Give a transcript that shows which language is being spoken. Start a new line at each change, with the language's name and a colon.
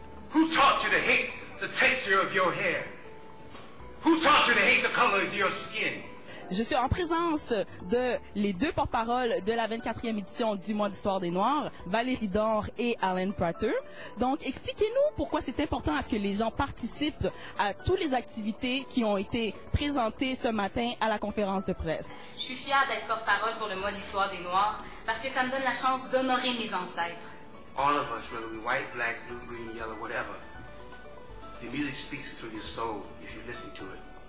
English: Who taught you to hate the texture of your hair? Who taught you to hate the color of your skin?
French: Je suis en présence de les deux porte-parole de la 24e édition du mois d'histoire des Noirs, Valérie Dore et Alan Prater. Donc, expliquez-nous pourquoi c'est important à ce que les gens participent à toutes les activités qui ont été présentées ce matin à la conférence de presse. Je suis fière d'être porte-parole pour le mois d'histoire des Noirs parce que ça me donne la chance d'honorer mes ancêtres.
English: All of us, whether we're white, black, blue, green, yellow, whatever, the music speaks through your soul if you listen to it.